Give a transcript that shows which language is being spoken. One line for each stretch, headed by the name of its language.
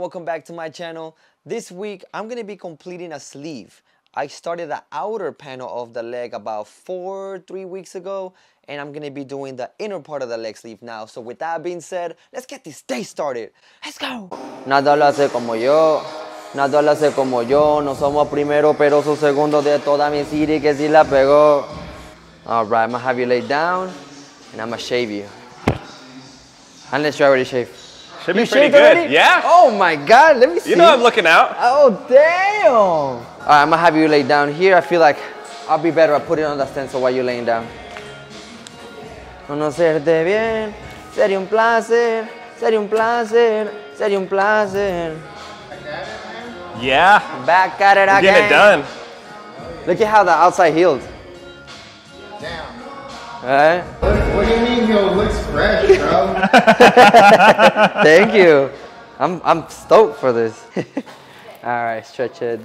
English: Welcome back to my channel. This week, I'm gonna be completing a sleeve. I started the outer panel of the leg about three weeks ago, and I'm gonna be doing the inner part of the leg sleeve now. So with that being said, let's get this day started. Let's go.
Spanish: Nada lo hace como yo. Nada lo hace como yo. No somos primero, pero somos segundo de toda mi city que si la pegó.
English: All right, I'm gonna have you lay down, and I'm gonna shave you. Unless you already shaved. Should be pretty good. Yeah. Oh my God, let me see. You know I'm looking out. Oh, damn. All right, I'm gonna have you lay down here. I feel like I'll be better. I put it on the stencil while you're laying down.
Spanish: Conocerte bien, sería un placer, sería un placer, sería un placer.
English: Yeah. Back at it again. Getting it done. Look at how the outside healed. Right. What do you mean he looks fresh, bro? Thank you. I'm stoked for this. All right, stretch it.